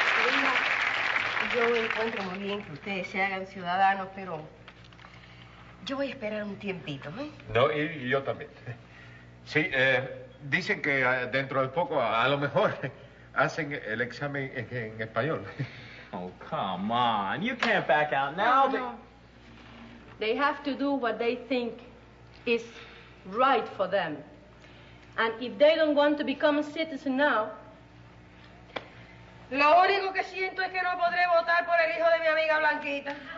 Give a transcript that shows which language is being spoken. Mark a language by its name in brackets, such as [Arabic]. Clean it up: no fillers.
[Spanish] Mira, yo encuentro muy bien que ustedes se hagan ciudadanos, pero yo voy a esperar un tiempito, ¿eh? No, y yo también. Sí, dicen que dentro de poco, a lo mejor, hacen el examen en español. [English] Oh, come on. You can't back out now. No, they have to do what they think is right for them. And if they don't want to become a citizen now... [Spanish] Lo único que siento es que no podré votar por el hijo de mi amiga Blanquita.